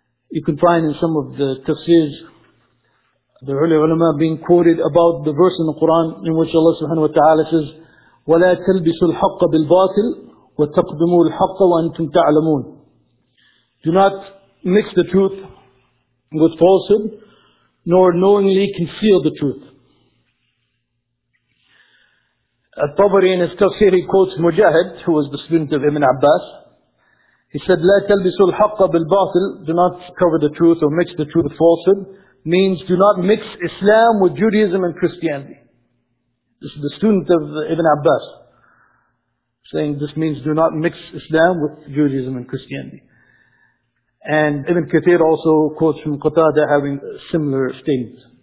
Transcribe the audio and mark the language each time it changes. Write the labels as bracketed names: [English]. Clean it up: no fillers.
[English] You can find in some of the tafsirs, the early ulama being quoted about the verse in the Quran in which Allah subhanahu wa ta'ala says, [Arabic] وَلَا تَلْبِسُوا الْحَقَّ بِالْبَاطِلِ وَتَقْدِمُوا الْحَقَّ وَأَنْتُمْ تَعْلَمُونَ. [English] Do not mix the truth with falsehood, nor knowingly conceal the truth. At-Tabari in his tafsir, he quotes Mujahid, who was the student of Ibn Abbas. He said, [Arabic] لَا تَلْبِسُوا الْحَقَّ بِالْبَاطِلِ. [English] Do not cover the truth or mix the truth with falsehood. Means do not mix Islam with Judaism and Christianity. This is the student of Ibn Abbas saying this means do not mix Islam with Judaism and Christianity. And Ibn Kathir also quotes from Qatada having similar statements.